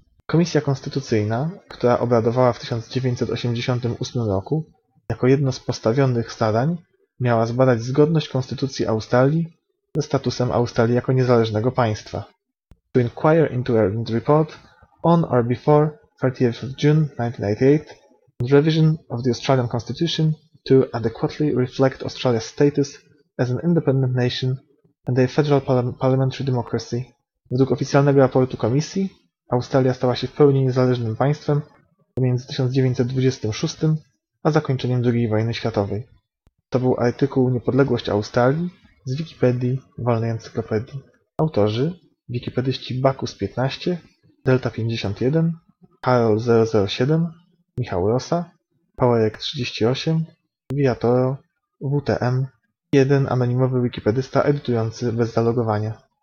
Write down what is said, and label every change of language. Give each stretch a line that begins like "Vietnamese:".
Polish: Komisja Konstytucyjna, która obradowała w 1988 roku, jako jedno z postawionych zadań miała zbadać zgodność Konstytucji Australii ze statusem Australii jako niezależnego państwa.
English: To inquire into a report on or before 30th of June 1988 and revision of the Australian Constitution to adequately reflect Australia's status as an independent nation and a federal parliamentary democracy.
Polish: Według oficjalnego raportu komisji, Australia stała się w pełni niezależnym państwem pomiędzy 1926 a zakończeniem II wojny światowej. To był artykuł Niepodległość Australii z Wikipedii, Wolnej Encyklopedii. Autorzy: wikipedyści Bacchus 15, Delta 51, Harold 007, Michał Rosa, Powerek 38, Viatoro, WTM, jeden anonimowy wikipedysta edytujący bez zalogowania.